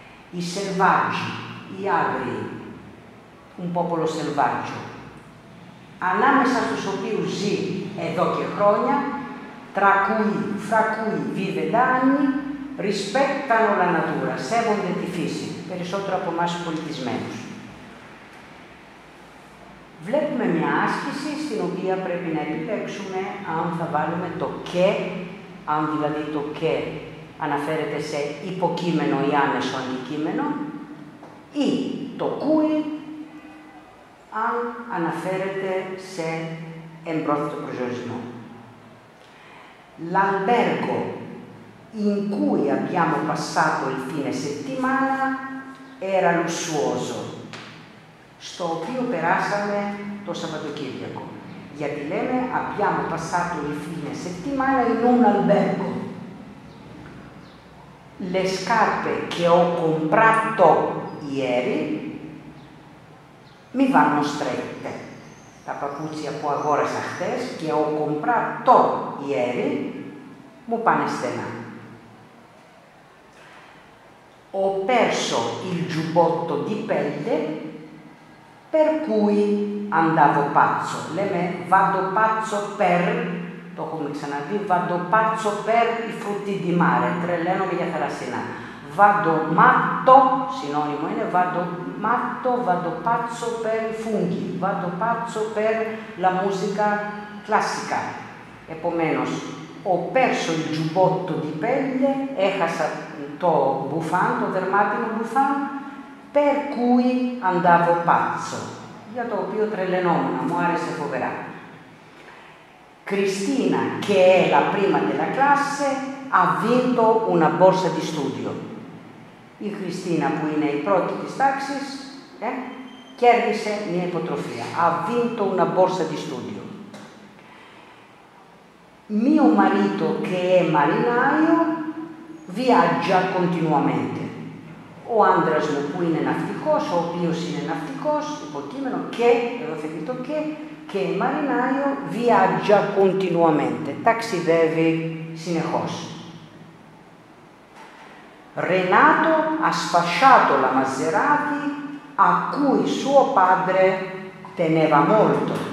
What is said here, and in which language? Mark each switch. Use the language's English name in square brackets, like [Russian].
[Italian] I selvaggi, gli agri, un popolo selvaggio, [Greek] ανάμεσα στους οποίους ζει εδώ και χρόνια, [Italian] fra cui vive da anni, rispettano la natura, [Greek] σέβονται τη φύση, περισσότερο από εμάς πολιτισμένους. Βλέπουμε μια άσκηση στην οποία πρέπει να επιλέξουμε αν θα βάλουμε το «και», αν δηλαδή το «και» αναφέρεται σε υποκείμενο ή άμεσο αντικείμενο, ή το «κουι», αν αναφέρεται σε εμπρόθετο προσδιορισμό. [Italian] L'albergo in cui abbiamo passato il fine settimana era lussuoso, [Greek] στο οποίο περάσαμε το Σαββατοκύριακο. Γιατί λέμε [Italian] abbiamo passato il fine settimana in un albergo. Le scarpe che ho comprato ieri mi vanno strette. [Greek] Τα παπούτσια που αγόρασα χτες και [Italian] ho comprato ieri [Greek] μου πάνε στενά. [Italian] Ho perso il giubbotto di pelle per cui andavo pazzo. [Greek] Λέμε [Italian] vado pazzo per, [Greek] το έχουμε ξαναδεί, [Italian] vado pazzo per i frutti di mare, [Greek] τρελαίνομαι για θαλασσινά. [Italian] Vado matto, [Greek] συνώνυμο είναι, [Italian] vado matto, vado pazzo per i funghi, vado pazzo per la musica classica. [Greek] Επομένως, [Italian] ho perso il giubbotto di pelle, [Greek] έχασα το μπουφάν, το δερμάτινο μπουφάν, [Italian] per cui andavo pazzo, [Greek] για το οποίο τρελαινόμουν, μου άρεσε φοβερά. [Italian] Cristina, che è la prima della classe, ha vinto una borsa di studio. [Greek] η Χριστίνα που είναι η πρώτη της τάξης, κέρδισε μια υποτροφία. [Italian] Ha vinto una borsa di studio. Mio marito, che è marinaio, viaggia continuamente. [Greek] Ο άντρας μου που είναι ναυτικός, ο οποίος είναι ναυτικός, υποκείμενο, και, εδώ θα πει το και η [Italian] marinaio viaggia continuamente, [Greek] ταξιδεύει συνεχώς. [Italian] Renato ha sfasciato la Maserati a cui suo padre teneva molto.